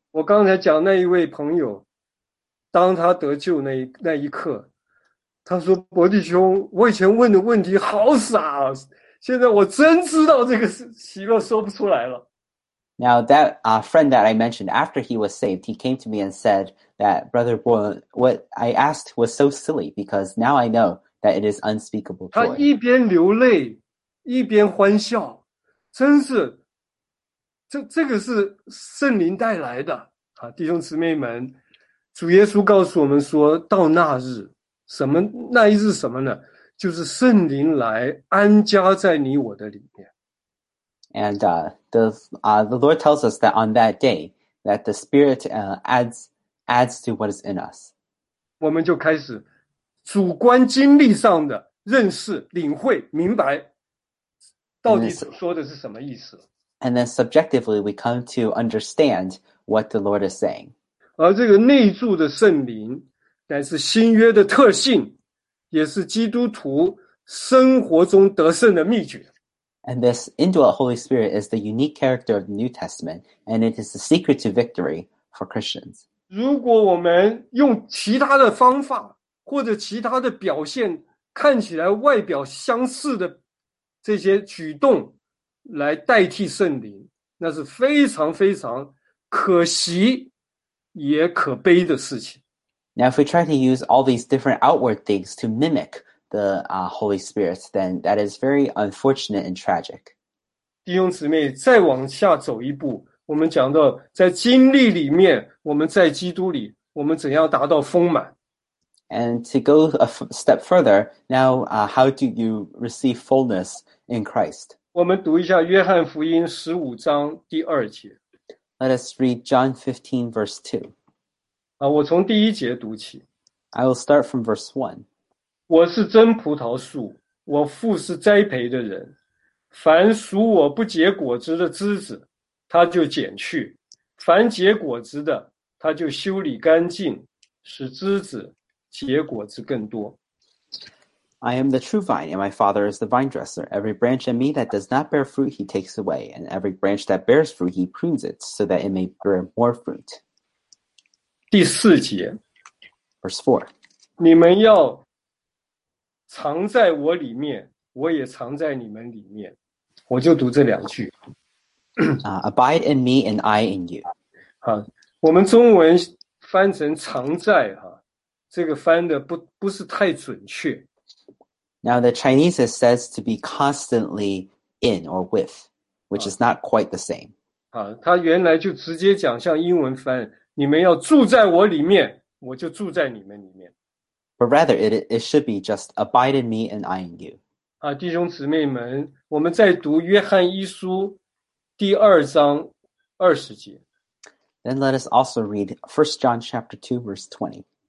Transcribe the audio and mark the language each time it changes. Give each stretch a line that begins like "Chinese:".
Chinese: 我刚才讲那一位朋友，当他得救那一刻，他说：“伯弟兄，我以前问的问题好傻，现在我真知道这个喜乐说不出来了。”
English: Now that friend that I mentioned, after he was saved, he came to me and said that, "Brother Boy, what I asked was so silly because now I know that it is unspeakable joy."
Chinese: 他一边流泪一边欢笑，真是，这个是圣灵带来的弟兄姊妹们，主耶稣告诉我们说，到那日，什么，那一日什么呢？就是圣灵来安家在你我的里面。
English: And the Lord tells us that on that day, that the Spirit adds to what is in us.
Chinese: 我们就开始主观经历上的认识、领会、明白，到底所说的是什么意思。
English: And then subjectively, we come to understand what the Lord is saying.
Chinese: 而这个内住的圣灵，乃是新约的特性，也是基督徒生活中得胜的秘诀。
English: And this indwelt Holy Spirit is the unique character of the New Testament, and it is the secret to victory for Christians.
Chinese: 如果我们用其他的方法或者其他的表现，看起来外表相似的这些举动来代替圣灵，那是非常非常可惜也可悲的事情。
English: Now, if we try to use all these different outward things to mimic the Holy Spirit, then that is very unfortunate and tragic.
Chinese: 弟兄姊妹，再往下走一步，我们讲到在经历里面，我们在基督里，我们怎样达到丰满。
English: And to go a step further, now, how do you receive fullness in Christ?
Chinese: 我们读一下约翰福音十五章第二节。
English: Let us read John 15, verse 2.
Chinese: 我从第一节读起。
English: I will start from verse 1.
Chinese: 我是真葡萄树，我父是栽培的人。凡属我不结果子的枝子，他就剪去；凡结果子的，他就修理干净，使枝子结果子更多。
English: I am the true vine, and my Father is the vine dresser. Every branch in me that does not bear fruit, he takes away, and every branch that bears fruit, he prunes it, so that it may bear more fruit.
Chinese: 第四节
English: Verse 4
Chinese: 你们要藏在我里面，我也藏在你们里面。我就读这两句。
English: Abide in me, and I in you.
Chinese: 我们中文翻成藏在，这个翻的不是太准确。
English: Now the Chinese it says to be constantly in or with, which is not quite the same.
Chinese: 它原来就直接讲像英文翻，你们要住在我里面，我就住在你们里面。
English: But rather, it should be just abide in me and I in you.
Chinese: 弟兄姊妹们，我们在读约翰一书第二章二十节。
English: Then let us also read 1 John chapter 2 verse 20.